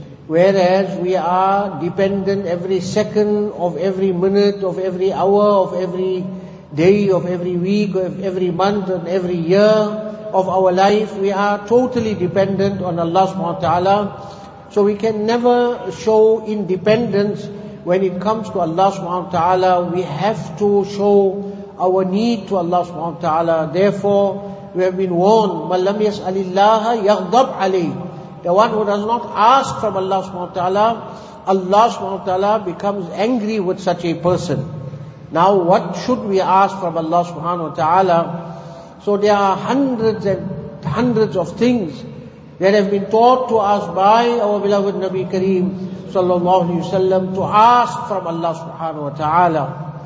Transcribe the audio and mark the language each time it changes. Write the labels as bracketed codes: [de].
[en] Whereas we are dependent every second of every minute, of every hour, of every day, of every week, of every month, and every year of our life, we are totally dependent on Allah subhanahu wa ta'ala. So we can never show independence when it comes to Allah subhanahu wa ta'ala. We have to show our need to Allah subhanahu wa ta'ala. Therefore, we have been warned, [ar] مَنْ لَمْ يَسْأَلِ اللَّهَ يَغْضَبْ عَلَيْهِ. [en] The one who does not ask from Allah subhanahu wa ta'ala, Allah subhanahu wa ta'ala becomes angry with such a person. Now what should we ask from Allah subhanahu wa ta'ala? So there are hundreds and hundreds of things that have been taught to us by our beloved Nabi Kareem sallallahu alayhi wa sallam to ask from Allah subhanahu wa ta'ala.